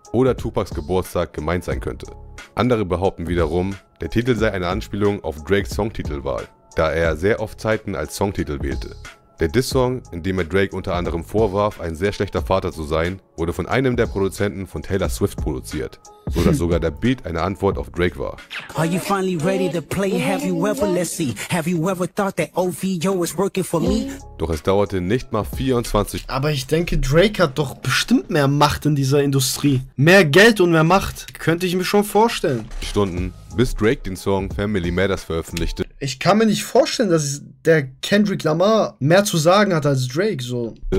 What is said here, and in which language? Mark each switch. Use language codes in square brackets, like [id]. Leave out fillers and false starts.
[de] oder Tupacs Geburtstag gemeint sein könnte. Andere behaupten wiederum, der Titel sei eine Anspielung auf Drakes Songtitelwahl, da er sehr oft Zeiten als Songtitel wählte. Der Diss-Song, in dem er Drake unter anderem vorwarf, ein sehr schlechter Vater zu sein, wurde von einem der Produzenten von Taylor Swift produziert, so dass sogar der Beat eine Antwort auf Drake war. [en] Are you finally ready to play? Have you ever, let's see, have you ever thought that OVO is working for me? [de] Doch es dauerte nicht mal 24. Aber ich denke, Drake hat doch bestimmt mehr Macht in dieser Industrie. Mehr Geld und mehr Macht, könnte ich mir schon vorstellen. Stunden, bis Drake den Song Family Matters veröffentlichte. Ich kann mir nicht vorstellen, dass der Kendrick Lamar mehr zu sagen hat als Drake, so.